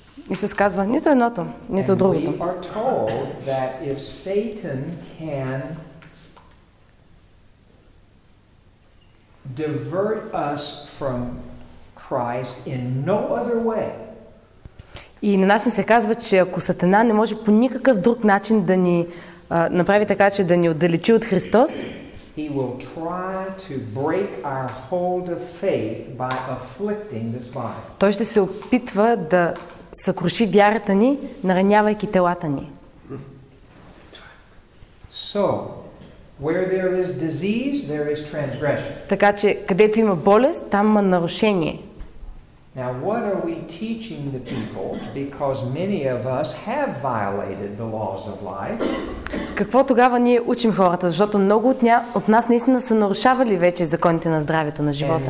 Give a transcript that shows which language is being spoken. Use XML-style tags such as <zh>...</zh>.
<bg>Исус казва, нито едното, нито другото.</bg> <en>And we are told that if Satan can divert us from Christ in no other way.</en> <bg>И на нас се казва, че ако Сатана не може по никакъв друг начин да ни направи така, че да ни отдалечи от Христос,</bg> <en>he will try to break our hold of faith by afflicting this body.</en> <bg>Той ще се опитва да съкруши вярата ни, наранявайки телата ни.</bg> <en>So, Where there is disease, there is transgression.</en> <bg>Така че където има болест, там има нарушение.</bg> <en>Now what are we teaching the people, because many of us have violated the laws of life?</en> <bg>Какво тогава ние учим хората, защото много от нас наистина са нарушавали вече законите на здравето на живота.</bg>